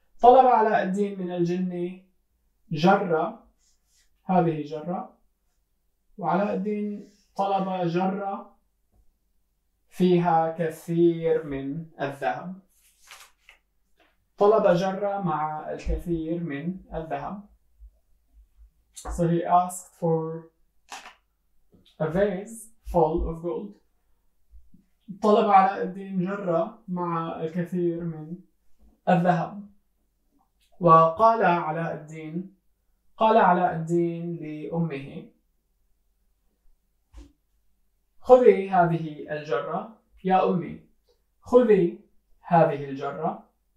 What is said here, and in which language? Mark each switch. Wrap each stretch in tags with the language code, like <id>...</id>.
<ar>طلب علاء الدين من الجن جرة، هذه جرة، وعلاء الدين طلب جرة فيها كثير من الذهب. طلب جرة مع الكثير من الذهب.</ar> <en>So he asked for a vase full of gold.</en> <ar>طلب علاء الدين جرة مع الكثير من الذهب. وقال علاء الدين، قال علاء الدين لأمه: خذي هذه الجرة يا أمي، خذي هذه الجرة.</ar>